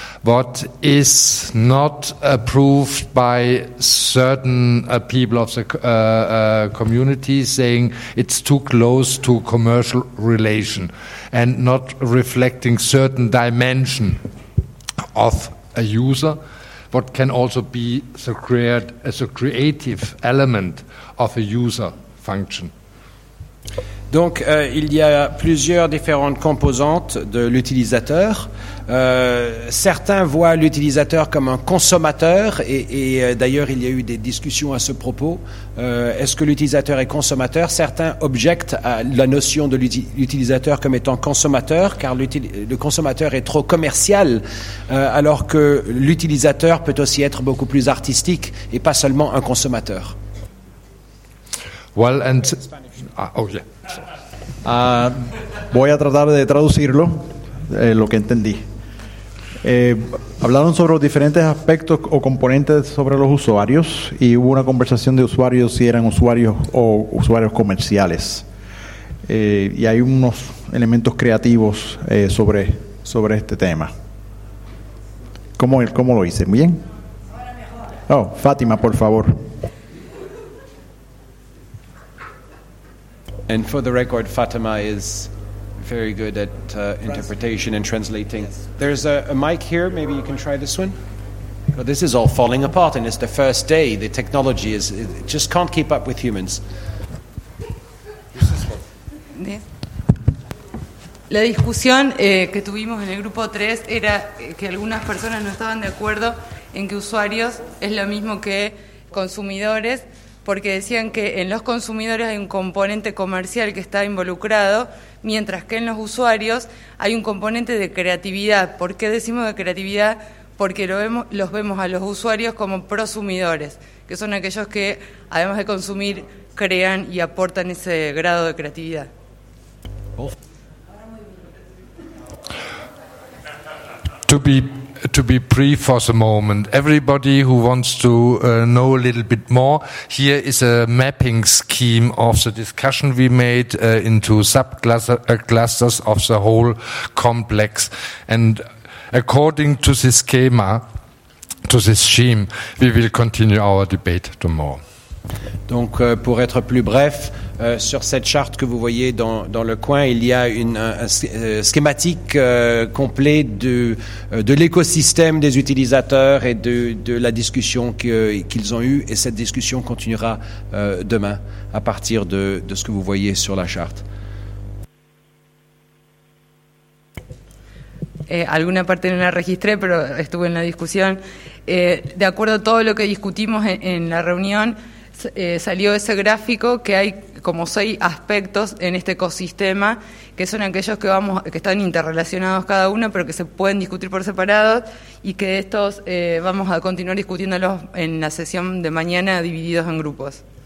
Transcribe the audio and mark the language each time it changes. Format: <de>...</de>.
<en>What is not approved by certain people of the community saying it's too close to commercial relation and not reflecting certain dimension of a user, what can also be the creative element of a user function.</en> <fr>Donc, il y a plusieurs différentes composantes de l'utilisateur. Certains voient l'utilisateur comme un consommateur, et d'ailleurs, il y a eu des discussions à ce propos. Est-ce que l'utilisateur est consommateur? Certains objectent à la notion de l'utilisateur comme étant consommateur, car le consommateur est trop commercial, alors que l'utilisateur peut aussi être beaucoup plus artistique et pas seulement un consommateur.</fr> <en>Well, and... Oh, yeah.</en> <es>Voy a tratar de traducirlo, lo que entendí. Hablaron sobre los diferentes aspectos o componentes sobre los usuarios y hubo una conversación de usuarios si eran usuarios o usuarios comerciales. Y hay unos elementos creativos sobre este tema. ¿Cómo lo hice? ¿Bien? Ahora me Oh, Fátima, por favor.</es> <en>And for the record, Fátima is very good at interpretation and translating. Yes. There's a mic here. Maybe you can try this one. Well, this is all falling apart, and it's the first day. The technology is it just can't keep up with humans.</en> <es>La discusión que tuvimos en el grupo 3 era que algunas personas no estaban de acuerdo en que usuarios es lo mismo que consumidores, porque decían que en los consumidores hay un componente comercial que está involucrado, mientras que en los usuarios hay un componente de creatividad. ¿Por qué decimos de creatividad? Porque los vemos a los usuarios como prosumidores, que son aquellos que, además de consumir, crean y aportan ese grado de creatividad.</es> <en>To be brief for the moment, everybody who wants to know a little bit more, here is a mapping scheme of the discussion we made into clusters of the whole complex. And according to this schema, to this scheme, we will continue our debate tomorrow.</en> <fr>Donc, pour être plus bref, sur cette charte que vous voyez dans le coin, il y a une schématique complète de l'écosystème des utilisateurs et de la discussion qu'ils ont eue. Et cette discussion continuera demain à partir de ce que vous voyez sur la charte.</fr> <es>Alguna parte no la registré, pero estuve en la discusión. De acuerdo a todo lo que discutimos en la reunión, salió ese gráfico que hay como 6 aspectos en este ecosistema que son aquellos que están interrelacionados cada uno pero que se pueden discutir por separado y que estos vamos a continuar discutiéndolos en la sesión de mañana divididos en grupos.</es>